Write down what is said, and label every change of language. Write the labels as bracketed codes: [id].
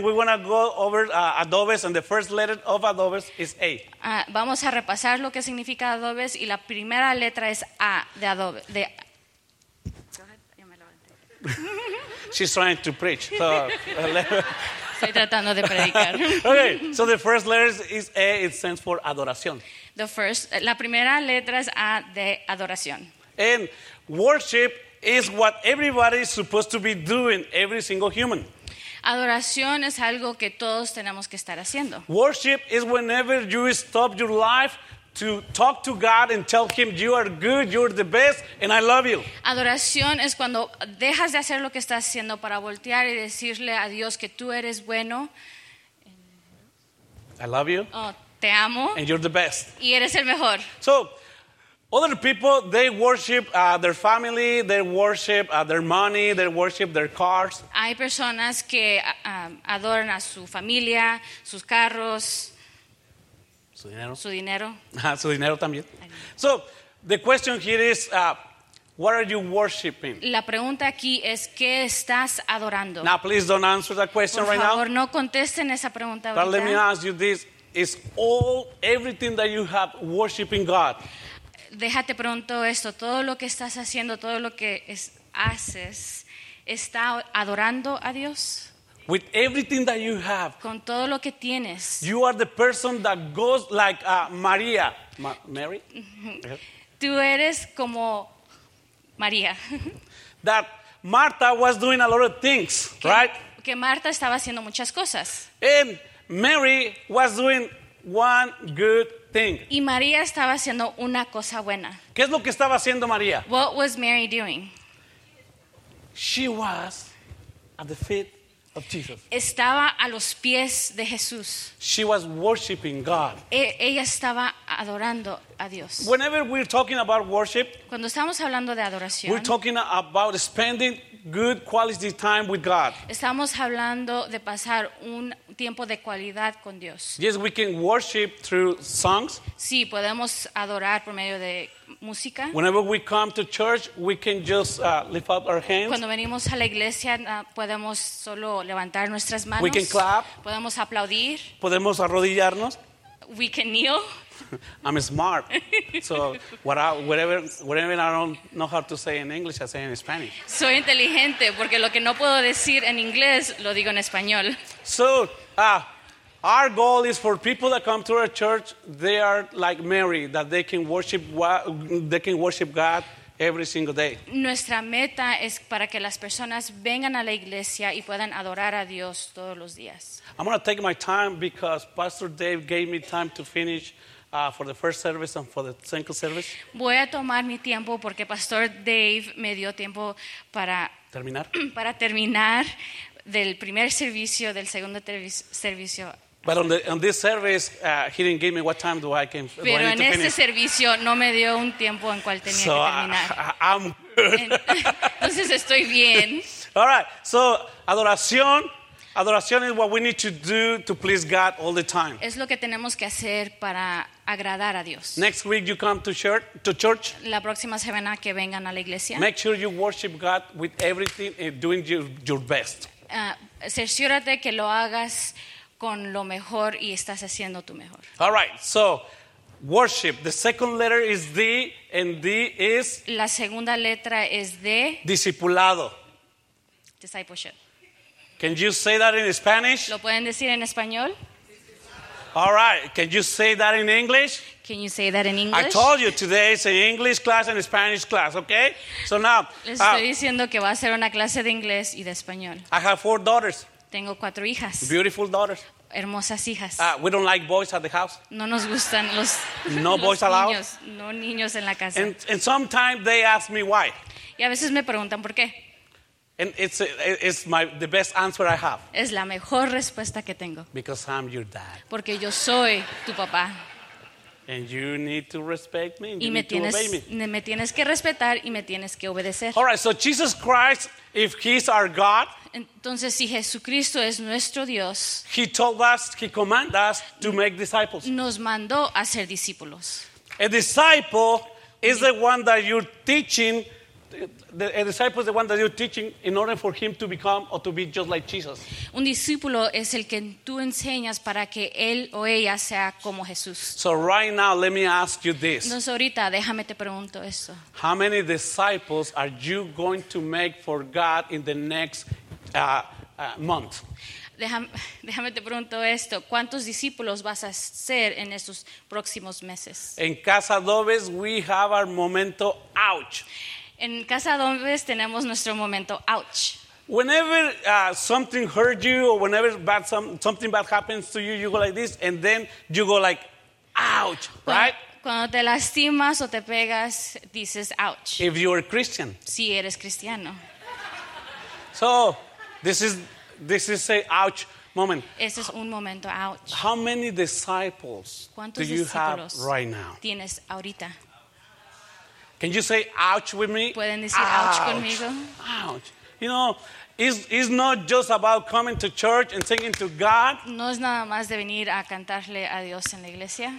[en] We want to go over adobes, and the first letter of adobes is A. [es] Vamos a repasar lo que significa adobes, y la primera letra es A, de adobes. [en] She's trying to preach. So, [es] estoy tratando de predicar. [en] Okay, so the first letter is A. It stands for adoración. The first, [es] la primera letra es A de adoración. [en] And worship is what everybody is supposed to be doing, every single human. [es] Adoración es algo que todos tenemos que estar haciendo. [en] Worship is whenever you stop your life to talk to God and tell him you are good, you're the best, and I love you. [es] Adoración es cuando dejas de hacer lo que estás haciendo para voltear y decirle a Dios que tú eres bueno. [en] I love you. [es] Oh, te amo. [en] And you're the best. [es] Y eres el mejor. [en] So, other people, they worship their family, they worship their money, they worship their cars. [es] Hay personas que adoran a su familia, sus carros. Su dinero. Su dinero. Su dinero también. [en] So, the question here is, what are you worshiping? [es] La pregunta aquí es, ¿qué estás adorando? [en] Now, please don't answer that question right now. [es] Por favor, no contesten esa pregunta ahorita. [en] But let me ask you this, is all, everything that you have, worshiping God? [es] Déjate pronto esto, todo lo que estás haciendo, todo lo que haces, ¿está adorando a Dios? [en] With everything that you have. [es] Con todo lo que tienes. [en] You are the person that goes like Maria. Mary? [es] Tú eres como María. [en] That Martha was doing a lot of things, [es] que, [en] right? [es] Que Marta estaba haciendo muchas cosas. [en] And Mary was doing one good thing. [es] Y María estaba haciendo una cosa buena. ¿Qué es lo que estaba haciendo María? [en] What was Mary doing? She was at the feet of Jesus. [es] Estaba a los pies de Jesús. [en] She was worshiping God. [es] Ella estaba adorando a Dios. [en] Whenever we're talking about worship, [es] cuando estamos hablando de adoración, [en] we're talking about spending good quality time with God. [es] Estamos hablando de pasar un tiempo de cualidad con Dios. [en] Yes, we can worship through songs. [es] Sí, podemos adorar por medio de música. [en] Whenever we come to church, we can just lift up our hands. [es] Cuando venimos a la iglesia, podemos solo levantar nuestras manos. [en] We can clap. [es] Podemos aplaudir. Podemos arrodillarnos. [en] We can kneel. I'm smart, so whatever I don't know how to say in English, I say in Spanish. [es] Soy inteligente porque lo que no puedo decir en inglés lo digo en español. [en] So, our goal is for people that come to our church, they are like Mary, that they can worship God every single day. [es] Nuestra meta es para que las personas vengan a la iglesia y puedan adorar a Dios todos los días. [en] I'm going to take my time because Pastor Dave gave me time to finish for the first service and for the second service. [es] Voy a tomar mi tiempo porque Pastor Dave me dio tiempo para terminar. Para terminar del primer servicio, del segundo servicio. [en] But on this service, he didn't give me what time do I can finish. [es] Pero en este servicio no me dio un tiempo en cual tenía [en] so [es] que terminar. [en] I'm good. [es] Entonces estoy bien. [en] All right. So adoración. Adoración is what we need to do to please God all the time. [es] Es lo que tenemos que hacer para agradar a Dios. [en] Next week you come to church. [es] La próxima semana que vengan a la iglesia. [en] Make sure you worship God with everything and doing your best. [es] Cerciórate que lo hagas con lo mejor y estás haciendo tu mejor. [en] All right, so worship. The second letter is D, and D is. [es] La segunda letra es D. Discipulado. [en] Discipleship. Can you say that in Spanish? [es] ¿Lo pueden decir en español? [en] All right. Can you say that in English? Can you say that in English? I told you today it's an English class and a Spanish class, okay? So now. [es] Les estoy diciendo que va a ser una clase de inglés y de español. [en] I have four daughters. [es] Tengo cuatro hijas. [en] Beautiful daughters. [es] Hermosas hijas. [en] We don't like boys at the house. [es] No nos gustan los, no los [en] boys [es] niños. [en] Allowed. [es] No niños en la casa. [en] And sometimes they ask me why. [es] Y a veces me preguntan por qué. [en] And it's the best answer I have. [es] Es la mejor respuesta que tengo. [en] Because I'm your dad. [es] Porque yo soy tu papá. [en] And you need to respect me. [es] Y me tienes que respetar y me tienes que obedecer. [en] All right, so Jesus Christ, if he's our God, [es] entonces si Jesucristo es nuestro Dios, [en] he told us, he commanded us to make disciples. [es] Nos mandó a ser discípulos. [en] A disciple is the one that you're teaching a disciple is the one that you're teaching in order for him to become or to be just like Jesus. [es] Un discípulo es el que tú enseñas para que él o ella sea como Jesús. [en] So right now, let me ask you this. [es] Entonces ahorita déjame te pregunto esto. [en] How many disciples are you going to make for God in the next month? [es] Déjame te pregunto esto. ¿Cuántos discípulos vas a hacer en estos próximos meses? [en] En Casa Adobes, we have our momento ouch. [es] En Casa Adobes tenemos nuestro momento ouch. [en] Whenever something hurts you or whenever something bad happens to you, you go like this and then you go like, ouch, right? [es] Cuando te lastimas o te pegas, dices ouch. [en] If you are Christian. [es] Si eres cristiano. [en] So, this is a ouch moment. [es] Ese es un momento ouch. [en] How many disciples do you have right now? [es] Tienes ahorita. [en] Can you say ouch with me? [es] ¿Pueden decir ouch conmigo? [en] Ouch. You know, it's not just about coming to church and singing to God. [es] No es nada más de venir a cantarle a Dios en la iglesia.